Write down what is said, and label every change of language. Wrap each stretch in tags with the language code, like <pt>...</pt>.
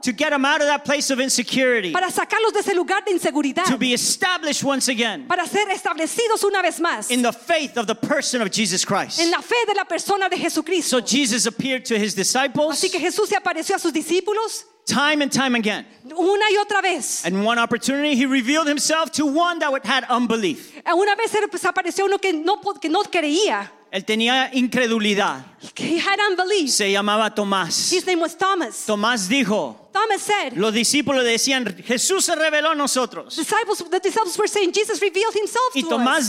<en>To get them out of that place of insecurity.</en> <es>Para sacarlos de ese lugar de inseguridad.</es> <en>To be established once again.</en> <es>Para ser establecidos una vez más.</es> <en>In the faith of the person of Jesus Christ.</en> <es>En la fe de la persona de Jesucristo.</es> <en>So Jesus appeared to his disciples.</en> <es>Así que Jesús se apareció a sus discípulos.</es> <en>Time and time again.</en> <es>Una y otra vez.</es> <en>And one opportunity he revealed himself to one that had unbelief.</en> <es>Una vez se apareció uno que no creía. Él tenía incredulidad.</es> <en>He had unbelief.</en> <es>Se llamaba Tomás.</es> <en>His name was Thomas.</en> <es>Tomás dijo.</es> <en>Thomas said.</en> <es>Los discípulos decían, Jesús se reveló a nosotros.</es> <en>The disciples were saying Jesus revealed himself</en> <es>y Tomás</es>